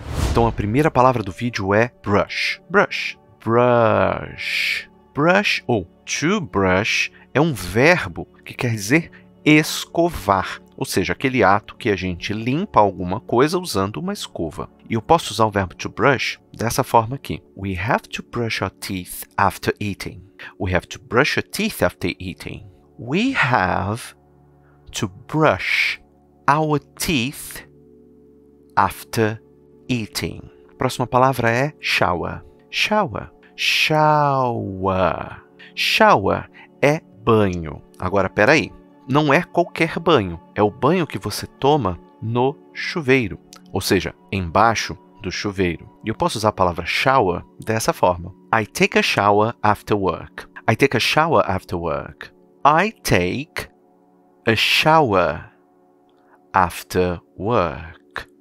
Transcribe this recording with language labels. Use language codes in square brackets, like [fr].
[pt] Então, a primeira palavra do vídeo é brush. Brush. Brush. Brush ou to brush é um verbo que quer dizer escovar. Ou seja, aquele ato que a gente limpa alguma coisa usando uma escova. E eu posso usar o verbo to brush dessa forma aqui. [en] We have to brush our teeth after eating. We have to brush our teeth after eating. We have to brush our teeth after eating. [pt] Próxima palavra é shower. Shower. Shower. Shower é banho. Agora, peraí. Não é qualquer banho, é o banho que você toma no chuveiro, ou seja, embaixo do chuveiro. E eu posso usar a palavra shower dessa forma. [en] I take a shower after work. I take a shower after work. I take a shower after work.